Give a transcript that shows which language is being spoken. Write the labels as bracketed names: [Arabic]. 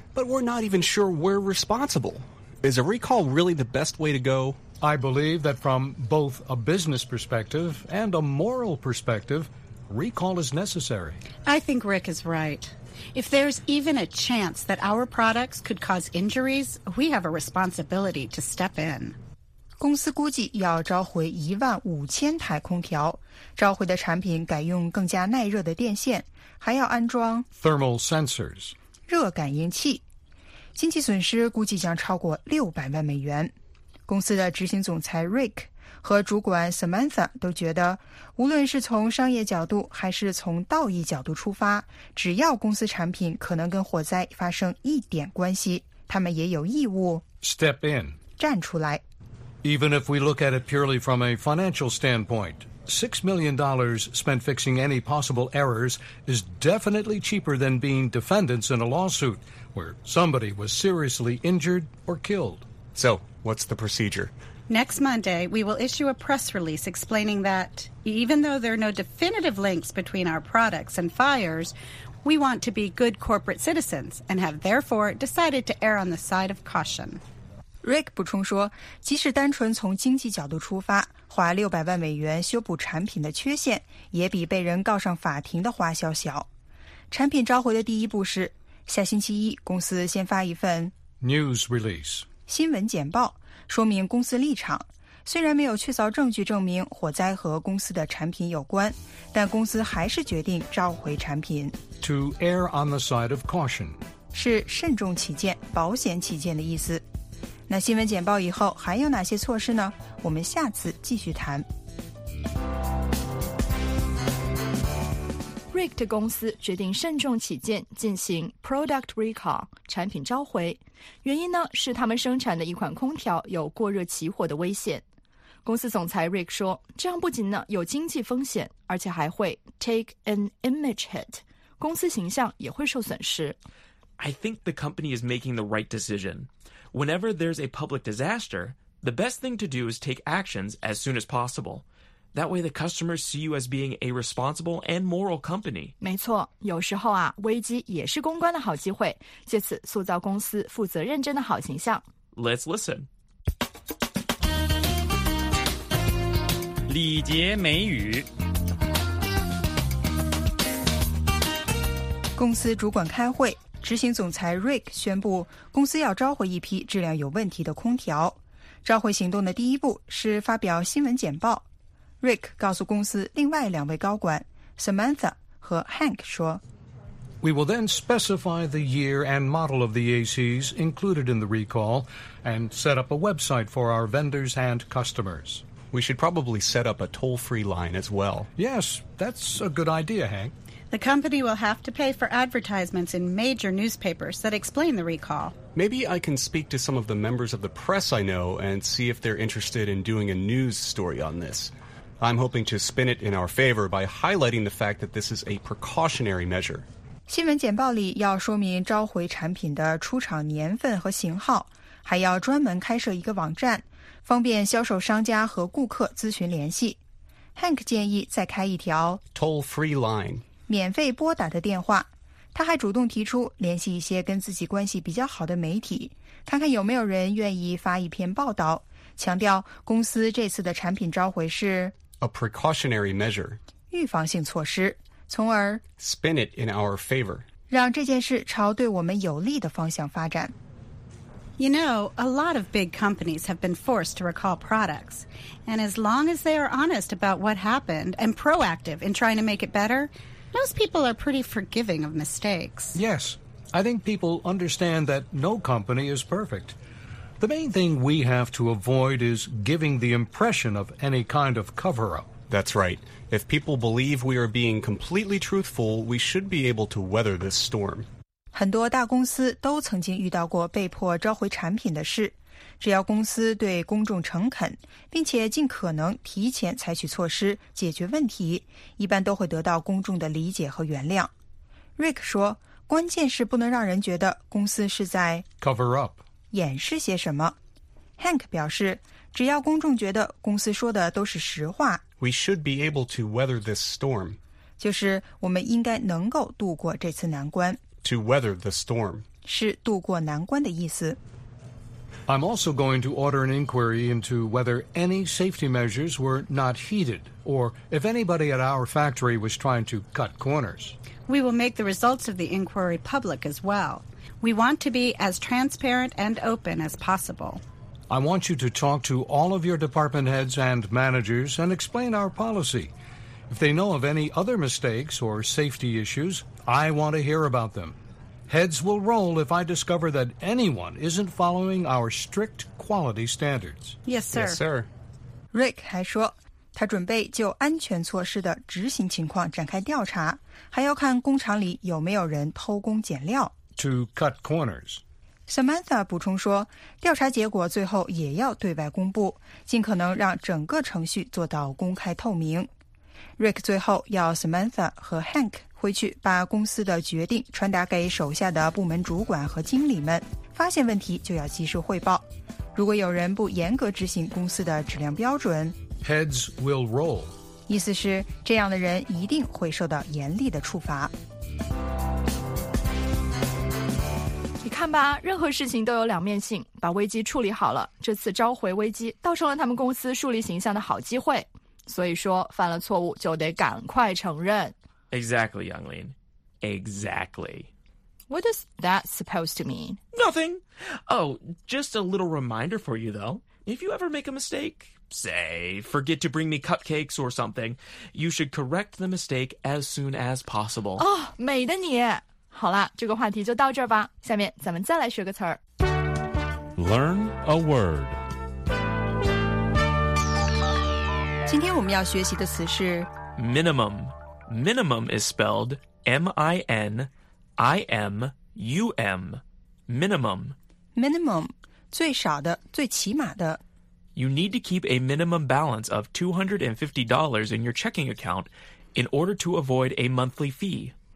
[English] But we're not even sure we're responsible. Is a recall really the best way to go? I believe that from both a business perspective and a moral perspective, recall is necessary. I think Rick is right. If there's even a chance that our products could cause injuries, we have a responsibility to step in. [Chinese] 公司估计要召回15,000台空调，召回的产品改用更加耐热的电线，还要安装 [English] thermal sensors [Chinese] 热感应器。经济损失估计将超过$6,000,000。公司的执行总裁 Rick 和主管 Samantha 都觉得，无论是从商业角度还是从道义角度出发，只要公司产品可能跟火灾发生一点关系，他们也有义务 [English] step in [Chinese] 站出来。 [English] Even if we look at it purely from a financial standpoint, $6 million spent fixing any possible errors is definitely cheaper than being defendants in a lawsuit where somebody was seriously injured or killed. So, what's the procedure? Next Monday, we will issue a press release explaining that even though there are no definitive links between our products and fires, we want to be good corporate citizens and have therefore decided to err on the side of caution. [Chinese] Rick 补充说，即使单纯从经济角度出发，花$6,000,000修补产品的缺陷，也比被人告上法庭的花销小。产品召回的第一步是，下星期一公司先发一份 [English] news release [Chinese] 新闻简报，说明公司立场。虽然没有确凿证据证明火灾和公司的产品有关，但公司还是决定召回产品。 [English] To err on the side of caution [Chinese] 是慎重起见、保险起见的意思。那新闻简报以后还有哪些措施呢？我们下次继续谈。 Rick 的公司决定慎重起见，进行 [English] product recall [Chinese] 产品召回，原因呢是他们生产的一款空调有过热起火的危险。公司总裁 Rick 说，这样不仅呢有经济风险，而且还会 [English] take an image hit， [Chinese] 公司形象也会受损失。 [English] I think the company is making the right decision. Whenever there's a public disaster, the best thing to do is take actions as soon as possible. That way the customers see you as being a responsible and moral company. [Chinese] 没错，有时候啊，危机也是公关的好机会，借此塑造公司负责认真的好形象。 [English] Let's listen. [Chinese] 礼节美语。公司主管开会。执行总裁 Rick 宣布公司要召回一批质量有问题的空调。召回行动的第一步是发表新闻简报。Rick 告诉公司另外两位高管 Samantha 和 Hank 说 [English] We will then specify the year and model of the ACs included in the recall and set up a website for our vendors and customers. We should probably set up a toll-free line as well. Yes, that's a good idea, Hank. The company will have to pay for advertisements in major newspapers that explain the recall. Maybe I can speak to some of the members of the press I know and see if they're interested in doing a news story on this. I'm hoping to spin it in our favor by highlighting the fact that this is a precautionary measure. [Chinese] 新闻简报里要说明召回产品的出厂年份和型号，还要专门开设一个网站，方便销售商家和顾客咨询联系。 Hank 建议再开一条 [English] toll-free line. [Chinese] 免费拨打的电话，他还主动提出联系一些跟自己关系比较好的媒体，看看有没有人愿意发一篇报道，强调公司这次的产品召回是 [English] a precautionary measure [Chinese] 预防性措施，从而 [English] spin it in our favor [Chinese] 让这件事朝对我们有利的方向发展。 [English] You know, a lot of big companies have been forced to recall products. And as long as they are honest about what happened and proactive in trying to make it betterMost people are pretty forgiving of mistakes. Yes, I think people understand that no company is perfect. The main thing we have to avoid is giving the impression of any kind of cover-up. That's right. If people believe we are being completely truthful, we should be able to weather this storm. [Chinese] 很多大公司都曾经遇到过被迫召回产品的事。只要公司对公众诚恳，并且尽可能提前采取措施解决问题，一般都会得到公众的理解和原谅。 Rick 说，关键是不能让人觉得公司是在 cover up 掩饰些什么。 Hank 表示，只要公众觉得公司说的都是实话 [English] ，We should be able to weather this storm， [Chinese] 就是我们应该能够度过这次难关。 [English] To weather the storm [Chinese] 是度过难关的意思。 [English] I'm also going to order an inquiry into whether any safety measures were not heeded, or if anybody at our factory was trying to cut corners. We will make the results of the inquiry public as well. We want to be as transparent and open as possible. I want you to talk to all of your department heads and managers and explain our policy. If they know of any other mistakes or safety issues, I want to hear about them. Heads will roll if I discover that anyone isn't following our strict quality standards. Yes, sir. Yes, sir. [Chinese] Rick 还说，他准备就安全措施的执行情况展开调查，还要看工厂里有没有人偷工减料。 [English] To cut corners. [Chinese] Samantha 补充说，调查结果最后也要对外公布，尽可能让整个程序做到公开透明。 Rick 最后要 Samantha 和 Hank回去把公司的决定传达给手下的部门主管和经理们，发现问题就要及时汇报。如果有人不严格执行公司的质量标准，Heads will roll，意思是这样的人一定会受到严厉的处罚。你看吧，任何事情都有两面性，把危机处理好了，这次召回危机倒成了他们公司树立形象的好机会。所以说，犯了错误就得赶快承认。 [English] Exactly, Younglin. Exactly. What is that supposed to mean? Nothing. Oh, just a little reminder for you, though. If you ever make a mistake, say, forget to bring me cupcakes or something, you should correct the mistake as soon as possible. [Chinese] Oh, 美的你。好了，这个话题就到这儿吧。下面咱们再来学个词儿。 [English] Learn a word. [Chinese] 今天我们要学习的词是 [English] Minimum. Minimum is spelled M-I-N-I-M-U-M. Minimum. [Chinese] Minimum. 最少的最起码的 [English] You need to keep a minimum balance of $250 in your checking account in order to avoid a monthly fee.